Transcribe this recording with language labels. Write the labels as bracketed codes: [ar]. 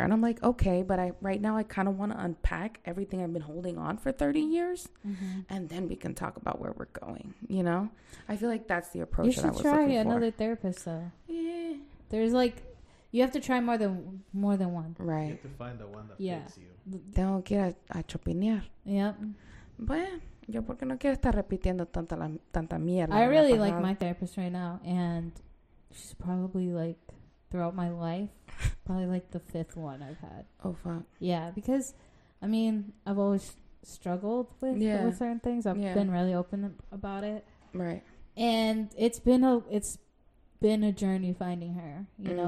[en] And I'm like, okay, but right now I kind of want to unpack everything I've been holding on for 30 years. Mm-hmm. And then we can talk about where we're going, you know? I feel like that's the approach that I was looking for. You should try another therapist, though. Yeah. There's like, you have to try more than one. Right. You have to find the one that fits you. [es] Tengo que ir a chopinear. [en] Yep. [es] Bueno, yo porque no quiero estar repitiendo tanta mierda. [en] I really like my therapist right now. And she's probably like, throughout my life, probably like the fifth one I've had. Oh, fuck. Yeah, because, I mean, I've always struggled with certain things. I've been really open about it. Right. And it's been a journey finding her, you know.